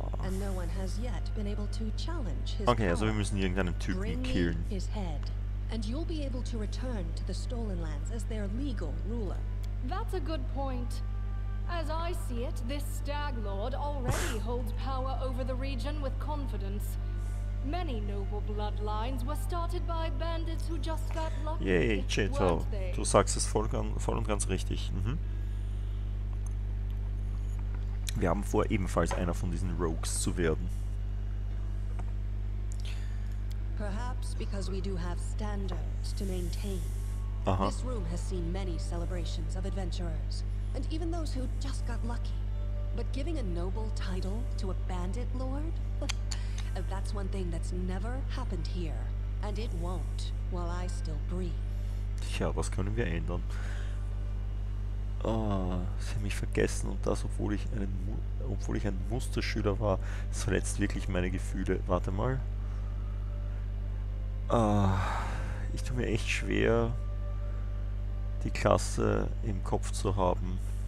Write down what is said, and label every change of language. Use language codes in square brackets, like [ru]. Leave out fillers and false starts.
[en] And no one has yet been able to challenge his. [de] Okay, also wir müssen irgendeinen Typen killen. [en] And you'll be able to return to the Stolen Lands as their legal ruler. That's a good point. As I see it, this Stag Lord already holds power over the region with confidence. Many noble bloodlines were started by bandits who just got lucky. [de] Yay, Cheto, du sagst es voll und ganz richtig. Mhm. Wir haben vor, ebenfalls einer von diesen Rogues zu werden. [en] Perhaps because we do have standards to maintain. Aha. This room has seen many celebrations of adventurers, and even those who just got lucky. But giving a noble title to a bandit lord? That's one thing that's never happened here, and it won't while I still breathe. [de] Tja, was können wir ändern? Oh, sie haben mich vergessen und das, obwohl ich ein Musterschüler war, das verletzt wirklich meine Gefühle. Warte mal. Ich tue mir echt schwer, die Klasse im Kopf zu haben.